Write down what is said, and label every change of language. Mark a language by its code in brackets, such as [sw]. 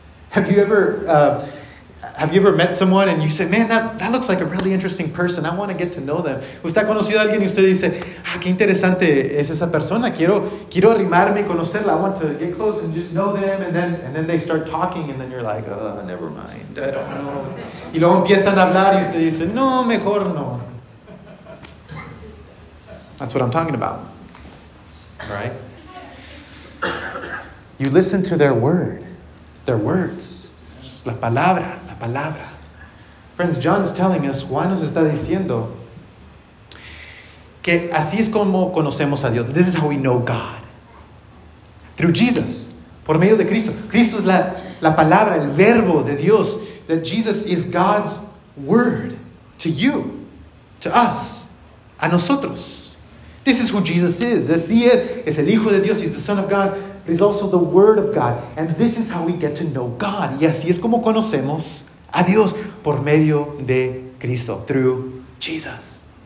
[en] Have you ever met someone and you say, man, that looks like a really interesting person. I want to get to know them. [es] ¿Usted ha conocido a alguien y usted dice, ah, qué interesante es esa persona? Quiero arrimarme y conocerla. [en] I want to get close and just know them. And then they start talking and then you're like, oh, never mind. I don't know. [es] Y luego empiezan a hablar y usted dice, no, mejor no. [en] That's what I'm talking about. Right? You listen to their word. Their words. [es] La palabra, la palabra. [en] Friends, John is telling us, [es] Juan nos está diciendo que así es como conocemos a Dios. [en] This is how we know God. Through Jesus, [es] por medio de Cristo. Cristo es la palabra, el verbo de Dios. [en] That Jesus is God's word to you, to us, a nosotros. This is who Jesus is. [es] Así es el Hijo de Dios, [en] he's the Son of God. But he's also the Word of God. And this is how we get to know God. [es] Y así es como conocemos a Dios, por medio de Cristo, [en] through Jesus.